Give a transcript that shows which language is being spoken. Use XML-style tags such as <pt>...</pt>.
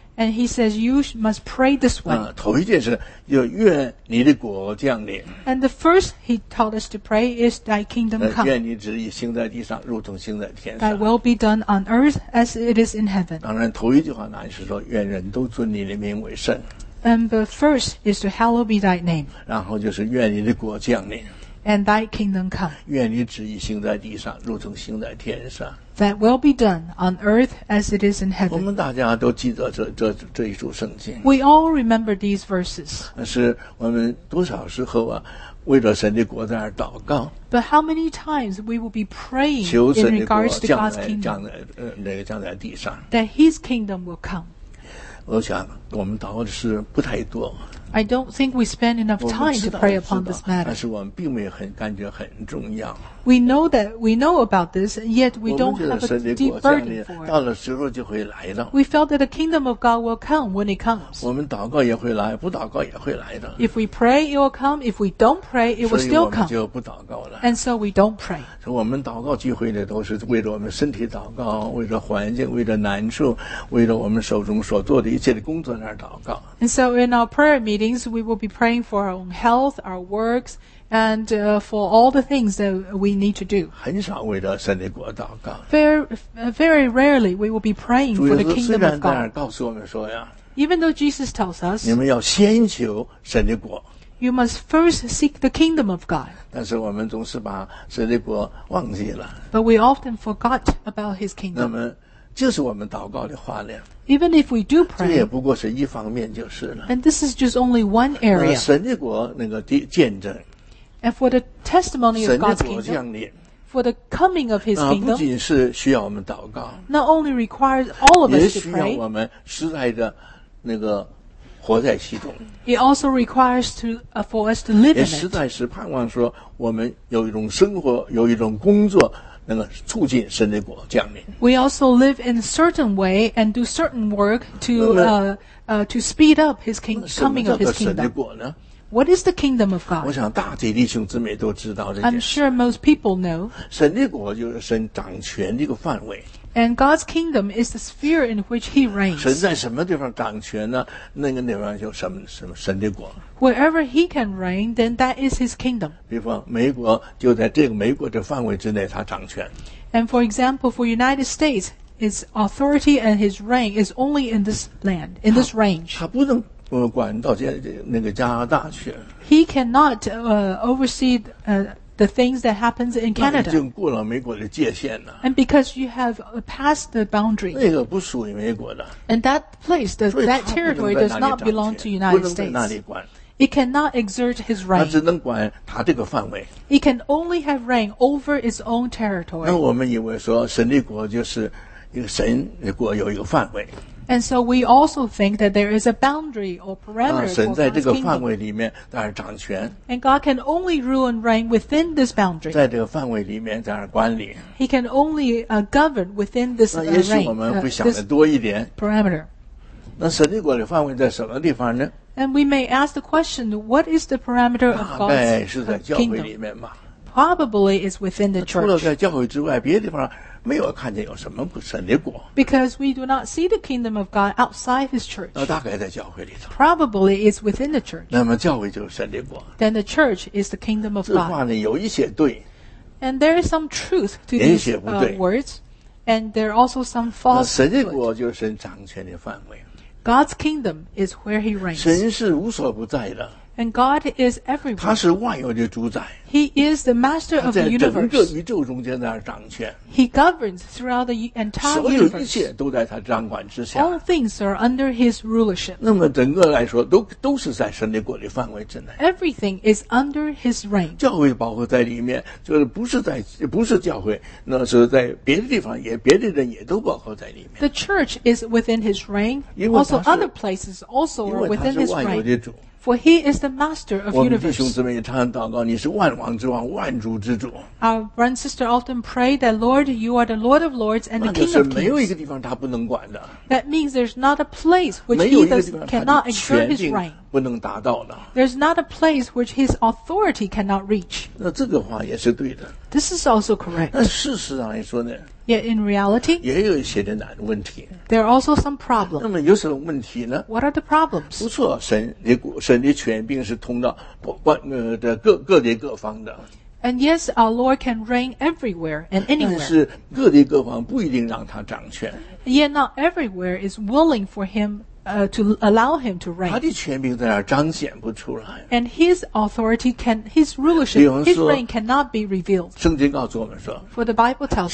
<en>And He says you must pray this way.</en> <zh>头一件事就愿你的国降临。</zh> <en>And the first He taught us to pray is Thy kingdom come.</en> <zh>愿你旨意行在地上，如同行在天上。</zh> <en>Thy will be done on earth as it is in heaven.</en> <zh>当然，头一句话乃是说愿人都尊你的名为圣。</zh> <en>And the first is to hallow be Thy name.</en> <zh>然后就是愿你的国降临。</zh> <en>And Thy kingdom come.</en> <zh>愿你旨意行在地上，如同行在天上。</zh> <en>Thy will be done on earth as it is in heaven.</en> <zh>我们大家都记得这一组圣经。</zh> <en>We all remember these verses.</en> <zh>是我们多少时候啊，为了神的国在那儿祷告。</zh> <en>But how many times we will be praying in regards to God's kingdom?</en> <zh>降在地上。</zh> <en>That His kingdom will come.</en> <zh>我想我们祷告的事不太多。</zh> <en>I don't think we spend enough time to pray upon this matter.</en> <zh>但是我们并没有很感觉很重要。</zh> <en>We know that we know about this, and yet we don't have a deep burden for it.</en> <zh>到了时候就会来的。</zh> <en>We felt that the kingdom of God will come when it comes.</en> <zh>我们祷告也会来，不祷告也会来的。</zh> <en>If we pray, it will come. If we don't pray, it will still come.</en> <zh>所以我们就不祷告了。</zh> <en>And so we don't pray.</en> <zh>所以我们祷告聚会呢，都是为了我们身体祷告，为了环境，为了难处，为了我们手中所做的一切的工作而祷告。</zh> <en>And so in our prayer meetings, we will be praying for our own health, our works, and for all the things that we need to do.</en> <zh>很少为了神的国祷告。</zh> <en>Very rarely we will be praying for the kingdom of God.</en> <zh>主耶稣虽然在那儿告诉我们说呀，</zh> <en>Even though Jesus tells us,</en> <zh>你们要先求神的国。</zh> <en>You must first seek the kingdom of God.</en> <zh>但是我们总是把神的国忘记了。</zh> <en>But we often forgot about His kingdom.</en> <zh>那么就是我们祷告的话呢。</zh> <en>Even if we do pray,</en> <zh>这也不过是一方面就是了。</zh> <en>And this is just only one area.</en> <zh>神的国那个见证。</zh> <en>And for the testimony of God's kingdom, for the coming of His kingdom,</en> <zh>不仅是需要我们祷告，</zh> <en>not only requires all of us to pray,</en> <zh>也需要我们实在的那个活在其中。</zh> <en>It also requires to, for us to live in it.</en> <zh>也实在是盼望说我们有一种生活，有一种工作，那个促进神的国降临。</zh> <en>We also live in a certain way and do certain work to, to speed up His kingdom, coming of His kingdom.</en> <zh>什么叫做神的国呢？</zh> <en>What is the kingdom of God?</en> <zh>我想大体弟兄姊妹都知道这件事。</zh> <en>I'm sure most people know.</en> <zh>神的国就是神掌权的一个范围。</zh> <en>And God's kingdom is the sphere in which He reigns.</en> <zh>神在什么地方掌权呢？那个地方就什么神的国。</zh> <en>Wherever He can reign, then that is His kingdom.</en> <zh>比方美国就在这个美国的范围之内，他掌权。</zh> <en>And for example, for United States, His authority and His reign is only in this land, in this range.</en> <zh>他不能。管到那个加拿大去。</zh> <en>He cannot oversee the things that happens in Canada.</en> <zh>那已经过了美国的界限了。</zh> <en>And because you have passed the boundary.</en> <zh>那个不属于美国的。</zh> <en>And that place, that territory does not belong to United States.</en> <zh>不能在那里管。</zh> <en>It cannot exert his reign.</en> <zh>他只能管他这个范围。</zh> <en>It can only have reign over its own territory.</en> <zh>那我们以为说神的国就是一个神的国有一个范围。</zh> <en>And so we also think that there is a boundary or parameter.</en> <zh>神在这个范围里面在那儿掌权。</zh> <en>And God can only rule and reign within this boundary.</en> <zh>在这个范围里面在那儿管理。</zh> <en>He can only govern within this parameter.</en> <zh>那也许我们会想得多一点。</zh> <en>Parameter.</en> <zh>那神的国的范围在什么地方呢？</zh> <en>And we may ask the question, what is the parameter of God's kingdom?</en> <zh>大概是在教会里面嘛。</zh> <en>Probably is within the church.</en> <zh>除了在教会之外，别的地方。没有看见有什么神的国。</zh> <en>Because we do not see the kingdom of God outside His church.</en> <zh>那大概在教会里头。</zh> <en>Probably it's within the church.</en> <zh>那么教会就是神的国。</zh> <en>Then the church is the kingdom of God.</en> <zh>这话呢有一些对。</zh> <en>And there is some truth to these words. And there are also some false.</en> <zh>神的国就是神掌权的范围。</zh> <en>God's kingdom is where He reigns.</en> <zh>神是无所不在的。</zh> <en>And God is everywhere.</en> <zh>他是万有的主宰。</zh> <en>He is the master of the universe.</en> <zh>他在整个宇宙中间在掌权。</zh> <en>He governs throughout the entire universe.</en> <zh>所有一切都在他掌管之下。</zh> <en>All things are under His rulership.</en> <zh>那么整个来说，都是在神的国的范围之内。</zh> <en>Everything is under His reign.</en> <zh>教会包括在里面，就是不是教会，那是在别的地方也别的人也都包括在里面。</zh> <en>The church is within His reign. Also other places also are within His reign.</en> <zh>因为他是万有的主。</zh> <en>For He is the master of universe.</en> <zh>我们弟兄姊妹也常常祷告，你是万王之王，万主之主。</zh> <en>Our brother and sister often pray that Lord, You are the Lord of lords and the King of kings.</en> <zh>那就是没有一个地方他不能管的。</zh> <en>That means there's not a place which He does, cannot exert His reign.</en> <zh>不能达到的。</zh> <en>There's not a place which His authority cannot reach.</en> <zh>那这个话也是对的。</zh> <en>This is also correct.</en> <zh>但事实上来说呢？</zh> <en>Yet in reality,</en> <zh>也有一些的难问题。</zh> <en>There are also some problems.</en> <zh>那么有什么问题呢？</zh> <en>What are the problems?</en> <zh>不错，神的权柄是通到各地各方的。</zh> <en>And yes, our Lord can reign everywhere and anywhere.</en> <zh>但是各地各方不一定让他掌权。</zh> <en>Yet not everywhere is willing for Him to allow him to reign.</en> <zh>他的权柄在那儿彰显不出来。</zh> <en>And his authority can, his rulership, his reign cannot be revealed.</en> <zh>圣经告诉我们说</zh> <en>For the Bible tells us,</en>